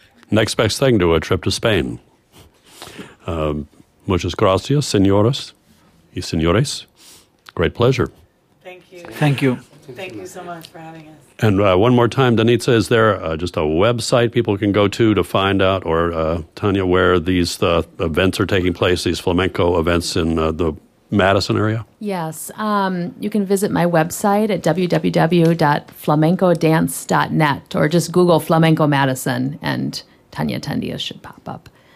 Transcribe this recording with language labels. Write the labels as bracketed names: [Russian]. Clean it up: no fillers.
[English] Next best thing to a trip to Spain. [Spanish] Muchas gracias, señoras y señores. [English] Great pleasure. Thank you. Thank you so much for having us. And one more time, Danica, is there just a website people can go to find out, or Tanya, where these events are taking place, these flamenco events in the Madison area? Yes. You can visit my website at www.flamencodance.net, or just Google Flamenco Madison and Tanya Tendia should pop up.